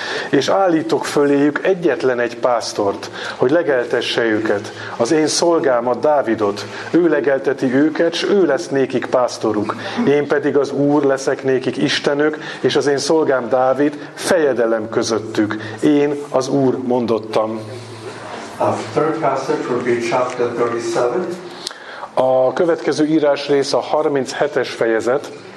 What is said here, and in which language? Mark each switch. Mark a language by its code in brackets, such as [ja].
[hu] És állítok föléjük egyetlen egy pásztort, hogy legeltesse őket, az én szolgámat, Dávidot. Ő legelteti őket, s ő lesz nékik pásztoruk. Én pedig az Úr leszek nékik istenük, és az én szolgám Dávid fejedelem közöttük. Én az Úr mondottam. [en] A third passage would be chapter 37. [hu] A következő írásrész a 37-es fejezet.